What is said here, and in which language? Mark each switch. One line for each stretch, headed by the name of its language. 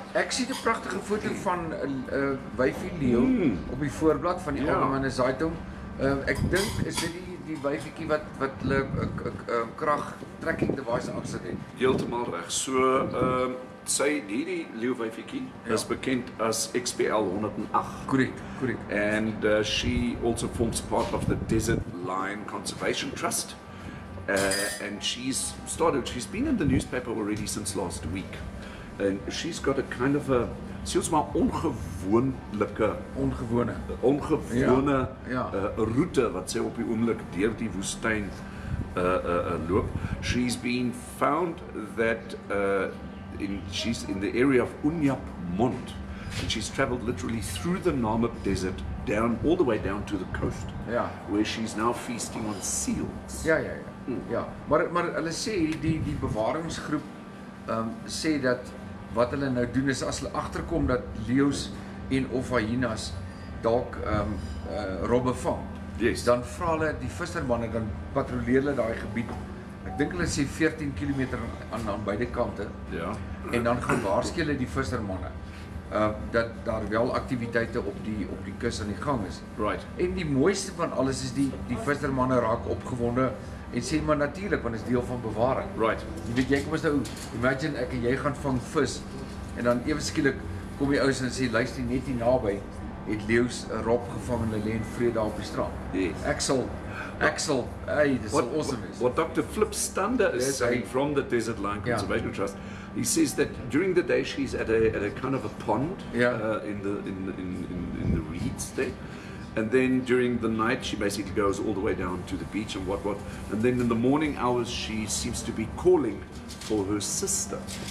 Afrikaans: Ek sien 'n pragtige foto van wyfie Leo op die voorblad van die Algemene Zeitung. Ek dink is dit die wyfietjie wat hulle krag tracking device aksie het. Heeltemal reg. So sy hierdie Leo wyfietjie is bekend as XPL 108. Korrek.
English: And she also forms part of the Desert Lion Conservation Trust. And she's been in the newspaper already since last week. And she's got a kind of a,
Afrikaans: soos maar ongewone route wat sy op die oomblik deur die woestyn loop.
English: She's been found that she's in the area of Unyapmond, and she's traveled literally through the Namib Desert down all the way down to the coast, where she's now feasting on seals.
Afrikaans: Ja, maar hulle sê die bewaringsgroep sê dat wat hulle nou doen is as hulle agterkom dat leeu's en of hyenas dalk robbe vang.
English: Yes.
Afrikaans: Dan vra hulle die vissermanne dan patrolleer hulle daai gebied. Ek dink hulle sê 14 km aan beide kante. Ja. En dan gaan waarskynlik hulle die vissermanne dat daar wel aktiwiteite op die kus aan die gang is.
English: Right.
Afrikaans: En die mooiste van alles is die vissermanne raak opgewonde en sê maar natuurlik want dit is deel van bewaring.
English: Right.
Afrikaans: Jy weet jy kom as nou imagine ek en jy gaan vang vis en dan ewe skielik kom die ouens en sê luister net hier naby het leeu's 'n rob gevang en hulle lê in vrede daar op die straat.
English: Yes.
Afrikaans: Ek sal hey dis what,
English: so awesome. What Dr. Flip Stander is saying from the Desert Lion Conservation Trust. He says that during the day she's at a kind of a pond in the reeds there, and then during the night she basically goes all the way down to the beach and what, and then in the morning hours she seems to be calling for her sister.